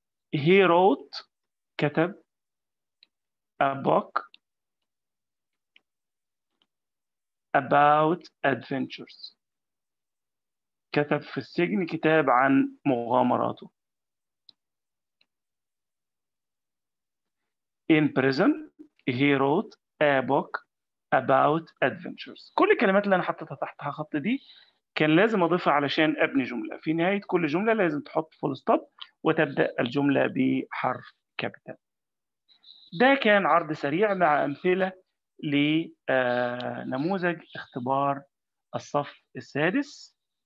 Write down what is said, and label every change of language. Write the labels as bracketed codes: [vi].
[en] He wrote, كتب, a book about adventures. [ar] كتب في السجن كتاب عن مغامراته. [en] In prison, he wrote a book about adventures. [ar] كل الكلمات اللي أنا حطتها تحتها خط دي كان لازم أضيفها علشان أبني جملة. في نهاية كل جملة لازم تحط full stop وتبدأ الجملة بحرف capital. ده كان عرض سريع مع أمثلة لنموذج اختبار الصف السادس.